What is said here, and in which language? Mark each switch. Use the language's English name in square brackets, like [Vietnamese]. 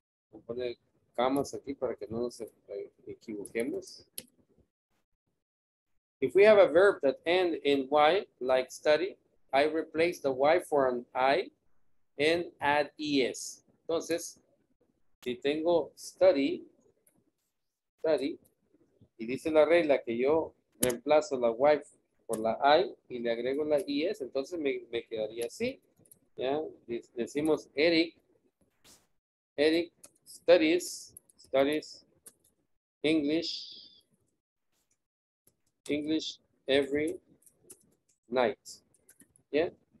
[Spanish] Voy a poner commas aquí para que no nos equivoquemos. [English] If we have a verb that end in y, like study, I replace the y for an I and add es. [Spanish] Entonces, si tengo study, y dice la regla que yo reemplazo la wife por la I y le agrego la ES, entonces me quedaría así. [English] ¿Ya? [Spanish] Decimos [English] Eric studies English every night. ¿Ya?